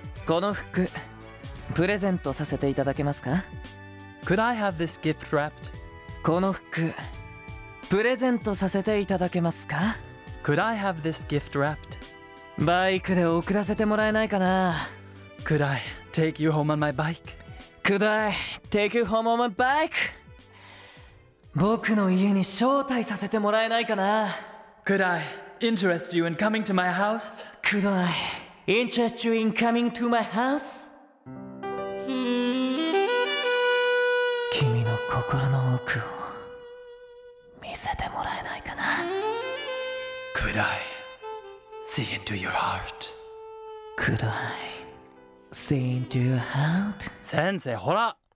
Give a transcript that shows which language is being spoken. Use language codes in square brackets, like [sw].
[ja] この服プレゼントさせていただけますか？ [en] Could I have this gift wrapped? [ja] この服、プレゼントさせていただけますか？ [en] Could I have this gift wrapped? [ja] バイクで送らせてもらえないかな？ [en] Could I take you home on my bike? Could I take you home on my bike? [ja] 僕の家に招待させてもらえないかな？ [en] Could I interest you in coming to my house? Could I interest you in coming to my house? [ja] 心の奥を見せてもらえないかな。 [en] Could I see into your heart? Could I see into your heart? [ja] 先生ほら、